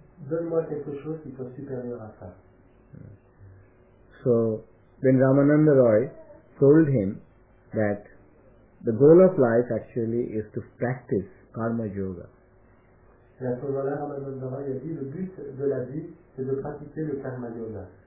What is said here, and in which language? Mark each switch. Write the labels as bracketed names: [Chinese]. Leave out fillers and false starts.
[French] Donne-moi quelque chose qui soit supérieur à ça. [English] So, then Ramananda Roy told him that the goal of life actually is to practice karma yoga. [French] Et à ce moment-là, Ramananda Roy a dit, le but de la vie, c'est de pratiquer le karma yoga.